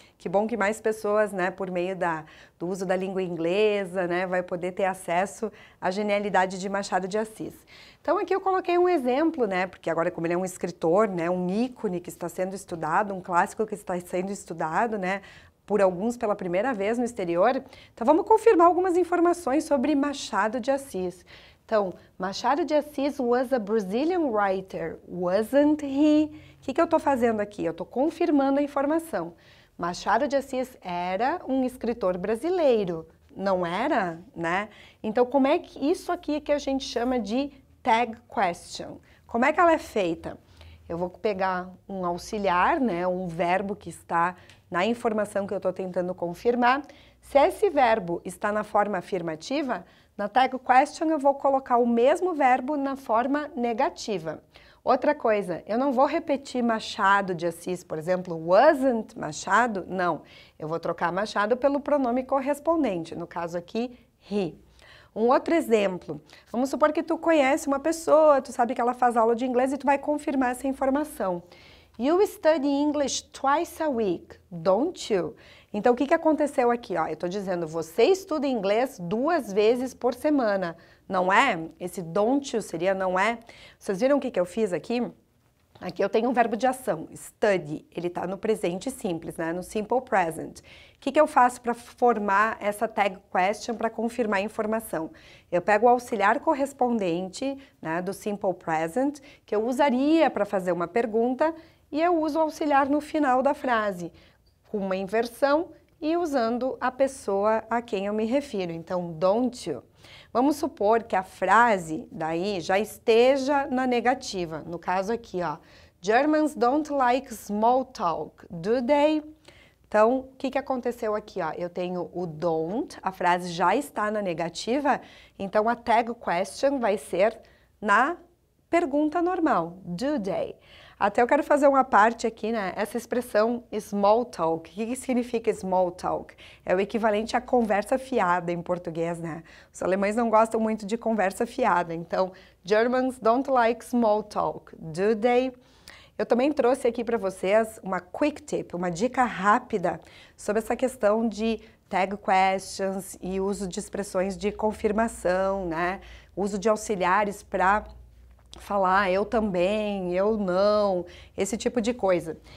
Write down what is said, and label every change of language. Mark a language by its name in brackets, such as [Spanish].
[Portuguese] Que bom que mais pessoas, né, por meio do uso da língua inglesa, né, vai poder ter acesso à genialidade de Machado de Assis. Então, aqui eu coloquei um exemplo, né, porque agora como ele é um escritor, né, um ícone que está sendo estudado, um clássico que está sendo estudado, né, por alguns pela primeira vez no exterior. Então, vamos confirmar algumas informações sobre Machado de Assis. [English] Então, Machado de Assis was a Brazilian writer, wasn't he? [Portuguese] O que eu estou fazendo aqui? Eu estou confirmando a informação. Machado de Assis era um escritor brasileiro, não era, né? Então, como é que isso aqui que a gente chama de tag question? Como é que ela é feita? Eu vou pegar um auxiliar, né? Um verbo que está na informação que eu estou tentando confirmar. Se esse verbo está na forma afirmativa, na tag question eu vou colocar o mesmo verbo na forma negativa. Outra coisa, eu não vou repetir Machado de Assis, por exemplo, [English] wasn't Machado, [Portuguese] não. Eu vou trocar Machado pelo pronome correspondente, no caso aqui, he. Um outro exemplo, vamos supor que tu conhece uma pessoa, tu sabe que ela faz aula de inglês e tu vai confirmar essa informação. [English] You study English twice a week, don't you? [Portuguese] Então, o que aconteceu aqui? Ó, eu estou dizendo, você estuda inglês duas vezes por semana, não é? Esse [English] don't you [Portuguese] seria não é? Vocês viram o que eu fiz aqui? Aqui eu tenho um verbo de ação, study. Ele está no presente simples, né? No simple present. O que eu faço para formar essa tag question para confirmar a informação? Eu pego o auxiliar correspondente, né, do simple present, que eu usaria para fazer uma pergunta, e eu uso o auxiliar no final da frase, com uma inversão e usando a pessoa a quem eu me refiro. Então, [English] don't you? [Portuguese] Vamos supor que a frase daí já esteja na negativa. No caso aqui, ó. [English] Germans don't like small talk, do they? [Portuguese] Então, o que aconteceu aqui, ó? Eu tenho o don't, a frase já está na negativa. Então, a tag question vai ser na pergunta normal, [English] do they? [Portuguese] Até eu quero fazer uma parte aqui, né? Essa expressão small talk. O que significa small talk? É o equivalente a conversa fiada em português, né? Os alemães não gostam muito de conversa fiada. [English] Então, Germans don't like small talk, do they? [Portuguese] Eu também trouxe aqui para vocês uma [English] quick tip, [Portuguese] uma dica rápida sobre essa questão de tag questions e uso de expressões de confirmação, né? Uso de auxiliares para falar eu também, eu não, esse tipo de coisa.